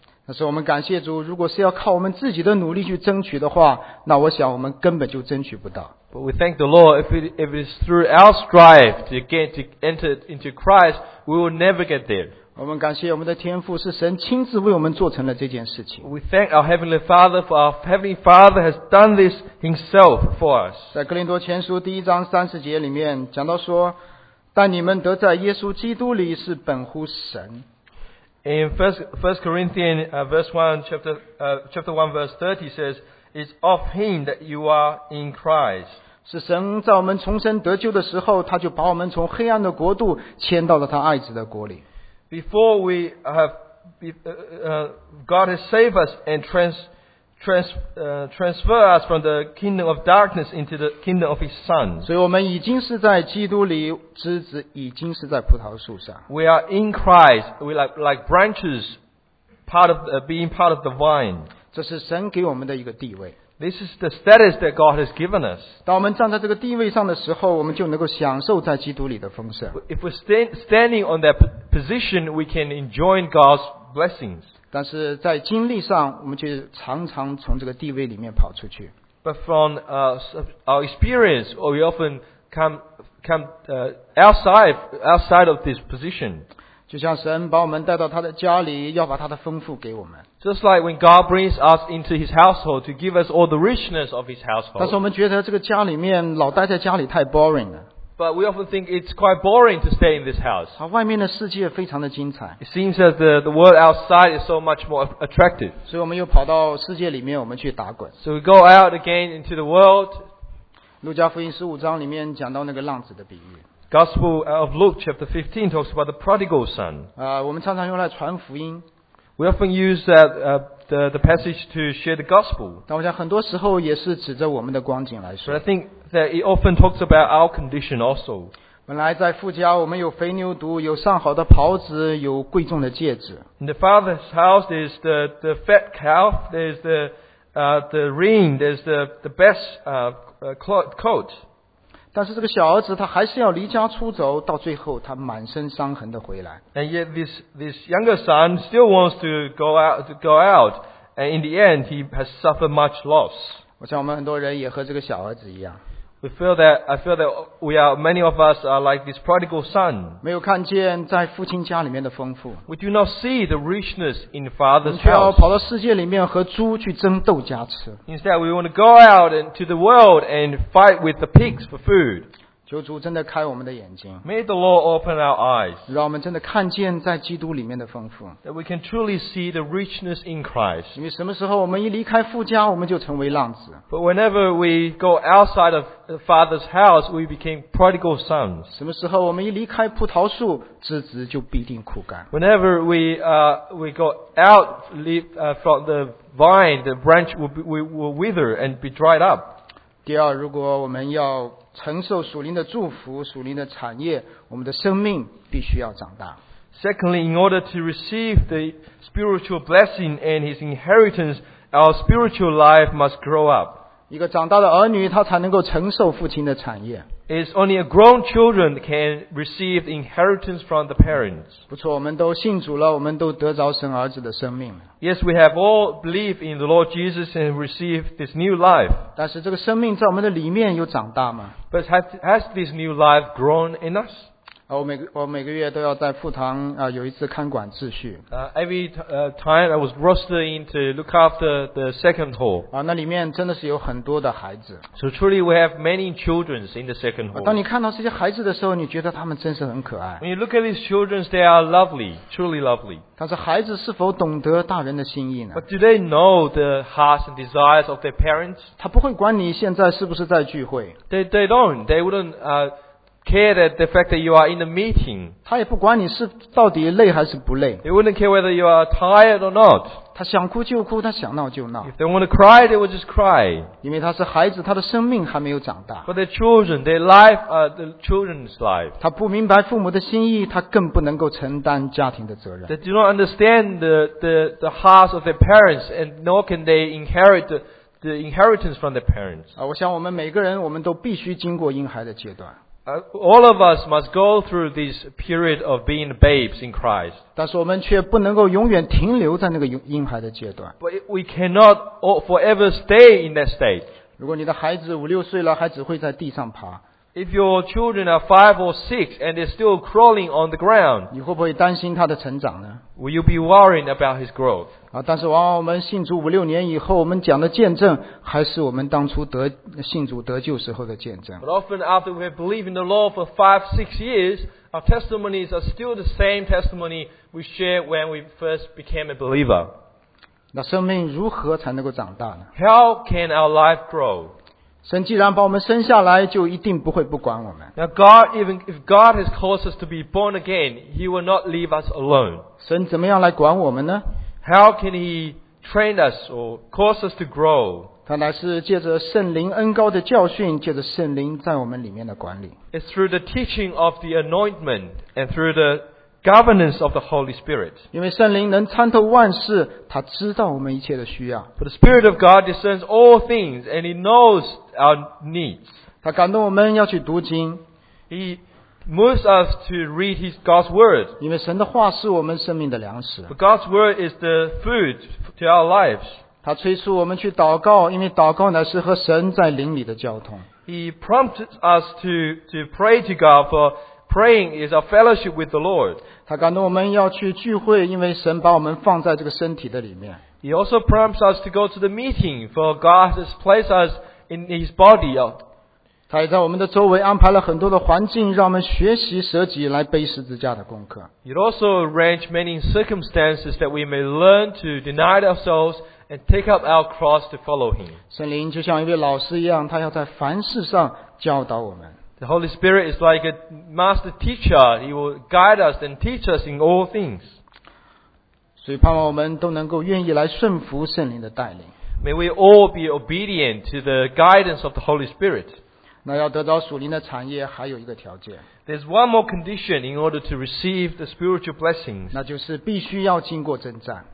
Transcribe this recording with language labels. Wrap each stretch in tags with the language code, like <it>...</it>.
<zh>但是我们感谢主，如果是要靠我们自己的努力去争取的话，那我想我们根本就争取不到。</zh> <en>But we thank the Lord, if it is through our strive to enter into Christ, we will never get there.</en> <zh>我们感谢我们的天父，是神亲自为我们做成了这件事情。</zh> <en>We thank our Heavenly Father, for our Heavenly Father has done this himself for us.</en> <zh>在哥林多前书第一章三十节里面讲到说，但你们得在耶稣基督里是本乎神。</zh> <en>In First Corinthians chapter one verse thirty says, "It's of Him that you are in Christ."</en> <zh>是神在我们重生得救的时候，他就把我们从黑暗的国度迁到了他爱子的国里。</zh> <en>Before we have God has saved us and transfer us from the kingdom of darkness into the kingdom of His Son.</en> <zh>所以我们已经是在基督里，枝子已经是在葡萄树上。</zh> <en>We are in Christ. We like branches, being part of the vine.</en> <zh>这是神给我们的一个地位。</zh> <en>This is the status that God has given us.</en> <zh>当我们站在这个地位上的时候，我们就能够享受在基督里的丰盛。</zh> <en>If we standing on that position, we can enjoy God's blessings.</en> <zh>但是在经历上，我们就常常从这个地位里面跑出去。</zh> <en>But from our experience, we often come outside of this position.</en> <zh>就像神把我们带到他的家里，要把他的丰富给我们。</zh> <en>Just like when God brings us into His household to give us all the richness of His household.</en> <zh>但是我们觉得这个家里面老待在家里太 boring 了。</zh> <en>But we often think it's quite boring to stay in this house.</en> <zh>外面的世界非常的精彩。</zh> <en>It seems that the world outside is so much more attractive.</en> <zh>所以我们又跑到世界里面，我们去打滚。</zh> <en>So we go out again into the world.</en> <zh>路加福音十五章里面讲到那个浪子的比喻。</zh> <en>Gospel of Luke chapter 15 talks about the prodigal son.</en> <zh>我们常常用来传福音。</zh> <en>We often use that the passage to share the gospel.</en> <zh>但我想很多时候也是指着我们的光景来说。</zh> <en>But I think that it often talks about our condition also.</en> <zh>本来在父家我们有肥牛犊，有上好的袍子，有贵重的戒指。</zh> <en>In the father's house is the fat calf, there's the ring, there's the best coat.</en> <zh>但是这个小儿子他还是要离家出走，到最后他满身伤痕的回来。</zh> <en>And yet this younger son still wants to go out, and in the end he has suffered much loss.</en> <zh>我想我们很多人也和这个小儿子一样。</zh> <en>I feel that we are, many of us are like this prodigal son.</en> <zh>没有看见在父亲家里面的丰富。</zh> <en>We do not see the richness in father's house.</en> <zh>却要跑到世界里面和猪去争豆荚吃。</zh> <en>Instead, we want to go out into the world and fight with the pigs for food.</en> <zh>求主真的开我们的眼睛。</zh> <en>May the Lord open our eyes.</en> <zh>让我们真的看见在基督里面的丰富。</zh> <en>That we can truly see the richness in Christ.</en> <zh>因为什么时候我们一离开父家，我们就成为浪子。</zh> <en>But whenever we go outside of the father's house, we became prodigal sons.</en> <zh>什么时候我们一离开葡萄树，枝子就必定枯干。</zh> <en>Whenever we go out, leave from the vine, the branch will wither and be dried up.</en> <zh>第二，如果我们要承受属灵的祝福，属灵的产业，我们的生命必须要长大。</zh> <en>Secondly, in order to receive the spiritual blessing and his inheritance, our spiritual life must grow up.</en> <zh>一个长大的儿女，他才能够承受父亲的产业。</zh> <en>It's only a grown children can receive inheritance from the parents.</en> <zh>不错，我们都信主了，我们都得着神儿子的生命。</zh> <en>Yes, we have all believed in the Lord Jesus and received this new life.</en> <zh>但是这个生命在我们的里面有长大吗？</zh> <en>But has this new life grown in us?</en> <zh>我每个月都要在父堂有一次看管秩序。</zh> <en>Every time I was rostered in to look after the second hall.</en> <zh>那里面真的是有很多的孩子。</zh> <en>So truly we have many children in the second hall.</en> <zh>当你看到这些孩子的时候，你觉得他们真是很可爱。</zh> <en>When you look at these children, they are lovely, truly lovely.</en> <zh>但是孩子是否懂得大人的心意呢？</zh> <en>But do they know the hearts and desires of their parents?</en> <zh>他不会管你现在是不是在聚会。</zh> <en>They don't. They wouldn't care that the fact that you are in the meeting.</en> <zh>他也不管你是到底累还是不累。</zh> <en>They wouldn't care whether you are tired or not.</en> <zh>他想哭就哭，他想闹就闹。</zh> <en>If they want to cry, they will just cry.</en> <zh>因为他是孩子，他的生命还没有长大。</zh> <en>For their children, their life, the children's life.</en> <zh>他不明白父母的心意，他更不能够承担家庭的责任。</zh> <en>They do not understand the hearts of their parents, and nor can they inherit the inheritance from their parents.</en> <zh>我想我们每个人，我们都必须经过婴孩的阶段。</zh> <en>All of us must go through this period of being babes in Christ.</en> <zh>但是我们却不能够永远停留在那个婴孩的阶段。</zh> <en>But we cannot forever stay in that state.</en> <zh>如果你的孩子五六岁了，还只会在地上爬。</zh> <en>If your children are 5 or 6 and they're still crawling on the ground,</en> <zh>你会不会担心他的成长呢？</zh> <en>Will you be worrying about his growth?</en> <zh>但是往往我们信主五六年以后，我们讲的见证还是我们当初信主得救时候的见证。</zh> <en>But often after we have believed in the Lord for 5-6 years, our testimonies are still the same testimony we shared when we first became a believer.</en> <zh>那生命如何才能够长大呢？</zh> <en>How can our life grow?</en> <zh>神既然把我们生下来，就一定不会不管我们。</zh> <en>Now God, even if God has caused us to be born again, He will not leave us alone.</en> <zh>神怎么样来管我们呢？</zh> <en>How can He train us or cause us to grow?</en> <zh>他乃是借着圣灵恩膏的教训，借着圣灵在我们里面的管理。</zh> <en>It's through the teaching of the anointment and through the governance of the Holy Spirit.</en> <zh>因为圣灵能参透万事，他知道我们一切的需要。</zh> <en>For the Spirit of God discerns all things and He knows our needs.</en> <zh>他感动我们要去读经。</zh> <en>He moves us to read His God's Word.</en> <zh>因为神的话是我们生命的粮食。</zh> <en>For God's Word is the food to our lives.</en> <zh>他催促我们去祷告，因为祷告乃是和神在灵里的交通。</zh> <en>He prompts us to pray to God for praying is our fellowship with the Lord.</en> <zh>他感动我们要去聚会，因为神把我们放在这个身体的里面。</zh> <en>He also prompts us to go to the meeting, for God has placed us in His body.</en> <zh>他也在我们的周围安排了很多的环境，让我们学习舍己来背十字架的功课。</zh> <en>He also arranged many circumstances that we may learn to deny ourselves and take up our cross to follow Him.</en> <zh>圣灵就像一位老师一样，他要在凡事上教导我们。</zh> <en>The Holy Spirit is like a master teacher. He will guide us and teach us in all things.</en> <zh>所以盼望我们都能够愿意来顺服圣灵的带领。</zh> <en>May we all be obedient to the guidance of the Holy Spirit.</en> <zh>那要得到属灵的产业，还有一个条件。</zh> <en>There's one more condition in order to receive the spiritual blessings.</en> <zh>那就是必须要经过征战。</zh>